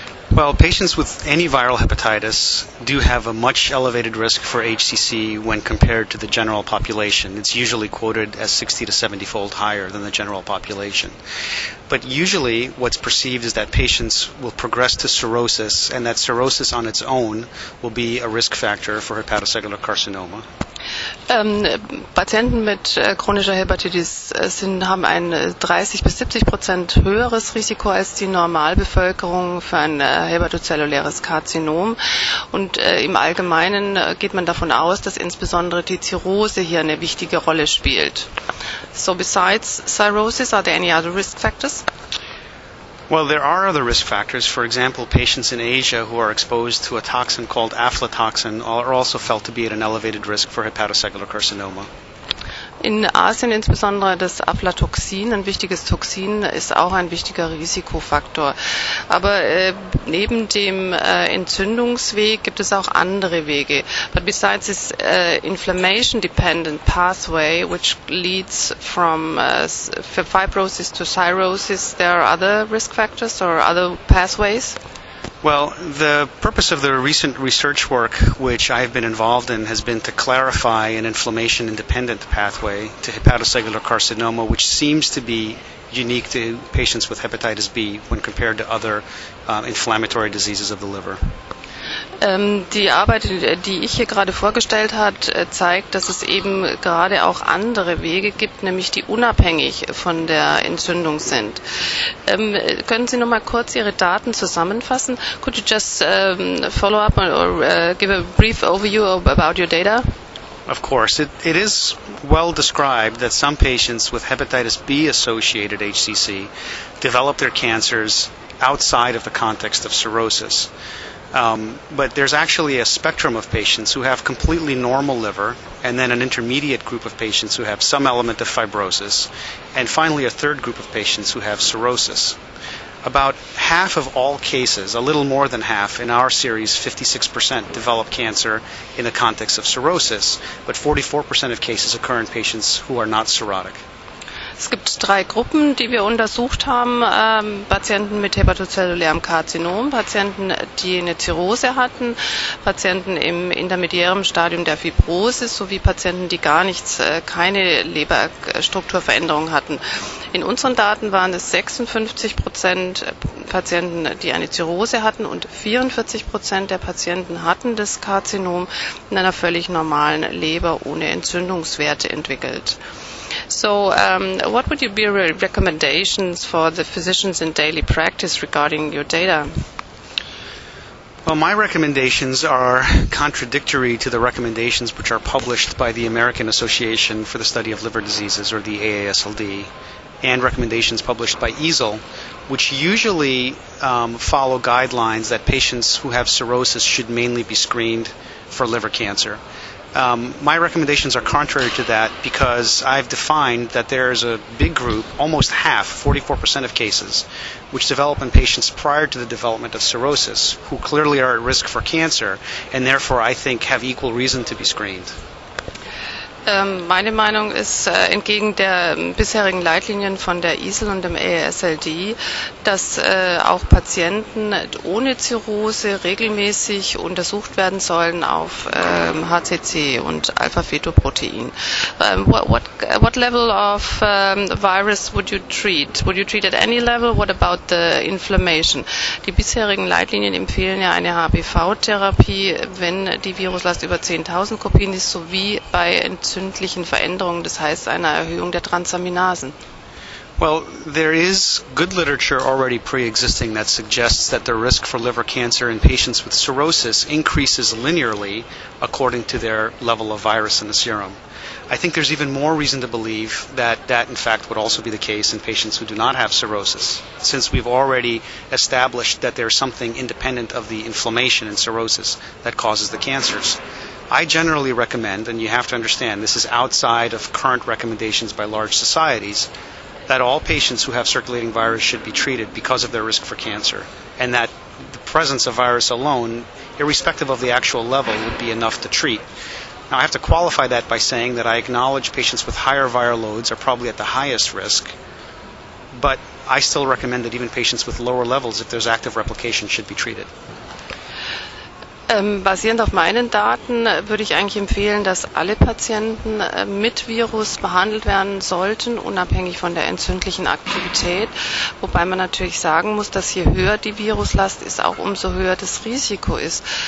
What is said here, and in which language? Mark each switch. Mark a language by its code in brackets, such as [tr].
[en] Well, patients with any viral hepatitis do have a much elevated risk for HCC when compared to the general population. It's usually quoted as 60 to 70 fold higher than the general population. But usually what's perceived is that patients will progress to cirrhosis, and that cirrhosis on its own will be a risk factor for hepatocellular carcinoma. [de] Patienten mit chronischer Hepatitis haben ein 30-70% höheres Risiko als die Normalbevölkerung für ein hepatozelluläres Karzinom. Und im Allgemeinen geht man davon aus, dass insbesondere die Zirrhose hier eine wichtige Rolle spielt. [en] So besides cirrhosis, are there any other risk factors? Well, there are other risk factors. For example, patients in Asia who are exposed to a toxin called aflatoxin are also felt to be at an elevated risk for hepatocellular carcinoma. [de] In Asien insbesondere das Aflatoxin, ein wichtiges Toxin, ist auch ein wichtiger Risikofaktor. Aber neben dem Entzündungsweg gibt es auch andere Wege. [en] But besides this inflammation-dependent pathway, which leads from fibrosis to cirrhosis, there are other risk factors or other pathways? Well, the purpose of the recent research work which I've been involved in has been to clarify an inflammation-independent pathway to hepatocellular carcinoma, which seems to be unique to patients with hepatitis B when compared to other inflammatory diseases of the liver. [de] Die Arbeit, die ich hier gerade vorgestellt habe, zeigt, dass es eben gerade auch andere Wege gibt, nämlich die unabhängig von der Entzündung sind. Können Sie noch mal kurz Ihre Daten zusammenfassen? [en] Could you just follow up or give a brief overview about your data? Of course. It is well described that some patients with hepatitis B-associated HCC develop their cancers outside of the context of cirrhosis. But there's actually a spectrum of patients who have completely normal liver, and then an intermediate group of patients who have some element of fibrosis, and finally a third group of patients who have cirrhosis. About half of all cases, a little more than half, in our series, 56%, develop cancer in the context of cirrhosis, but 44% of cases occur in patients who are not cirrhotic. [de] Es gibt drei Gruppen, die wir untersucht haben. Patienten mit hepatozellulärem Karzinom, Patienten, die eine Zirrhose hatten, Patienten im intermediären Stadium der Fibrosis sowie Patienten, die gar nichts, keine Leberstrukturveränderung hatten. In unseren Daten waren es 56% Patienten, die eine Zirrhose hatten und 44% der Patienten hatten das Karzinom in einer völlig normalen Leber ohne Entzündungswerte entwickelt. [en] So, what would you be recommendations for the physicians in daily practice regarding your data? Well, my recommendations are contradictory to the recommendations which are published by the American Association for the Study of Liver Diseases, or the AASLD, and recommendations published by ESEL, which usually follow guidelines that patients who have cirrhosis should mainly be screened for liver cancer. My recommendations are contrary to that because I've defined that there is a big group, almost half, 44% of cases, which develop in patients prior to the development of cirrhosis, who clearly are at risk for cancer and therefore I think have equal reason to be screened. [de] Meine Meinung ist entgegen der bisherigen Leitlinien von der ESEL und dem AASLD, dass auch Patienten ohne Zirrhose regelmäßig untersucht werden sollen auf HCC und Alpha-Fetoprotein. [en] What level of virus would you treat? Would you treat at any level? What about the inflammation? [de] Die bisherigen Leitlinien empfehlen ja eine HBV-Therapie, wenn die Viruslast über 10.000 Kopien ist, sowie bei Veränderungen, das heißt einer Erhöhung der Transaminasen. [en] Well, there is good literature already pre-existing that suggests that the risk for liver cancer in patients with cirrhosis increases linearly according to their level of virus in the serum. I think there's even more reason to believe that that, in fact, would also be the case in patients who do not have cirrhosis, since we've already established that there's something independent of the inflammation and cirrhosis that causes the cancers. I generally recommend, and you have to understand, this is outside of current recommendations by large societies, that all patients who have circulating virus should be treated because of their risk for cancer, and that the presence of virus alone, irrespective of the actual level, would be enough to treat. Now, I have to qualify that by saying that I acknowledge patients with higher viral loads are probably at the highest risk, but I still recommend that even patients with lower levels, if there's active replication, should be treated. [de] Basierend auf meinen Daten würde ich eigentlich empfehlen, dass alle Patienten mit Virus behandelt werden sollten, unabhängig von der entzündlichen Aktivität. Wobei man natürlich sagen muss, dass je höher die Viruslast ist, auch umso höher das Risiko ist.